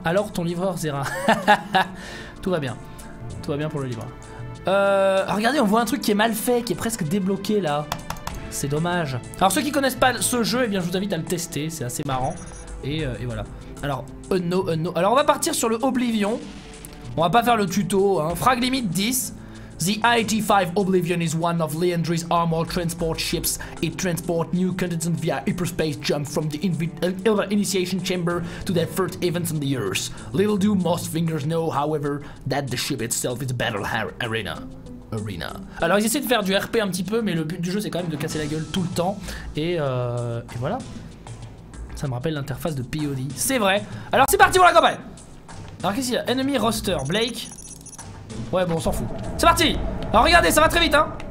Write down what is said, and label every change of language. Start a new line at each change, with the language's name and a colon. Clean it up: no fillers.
French: Alors ton livreur Zera. Tout va bien. Tout va bien pour le livreur. Regardez, on voit un truc qui est mal fait, qui est presque débloqué là. C'est dommage. Alors ceux qui connaissent pas ce jeu, eh bien je vous invite à le tester, c'est assez marrant. Et voilà. Alors, Alors on va partir sur le Oblivion. On va pas faire le tuto, hein.
English: Frag limit 10. The IT-5 Oblivion is one of Leandri's armored transport ships. It transports new contestants via hyperspace jump from the initiation chamber to their first events on the Earth. Little do most fingers know, however, that the ship itself is a battle arena.
French: Alors ils essaient de faire du RP un petit peu, mais le but du jeu c'est quand même de casser la gueule tout le temps. Et voilà. Ça me rappelle l'interface de POD. C'est vrai. Alors c'est parti pour la campagne. Alors qu'est-ce qu'il y a? Enemy roster. Blake. Ouais bon, on s'en fout. C'est parti. Alors regardez, ça va très vite hein.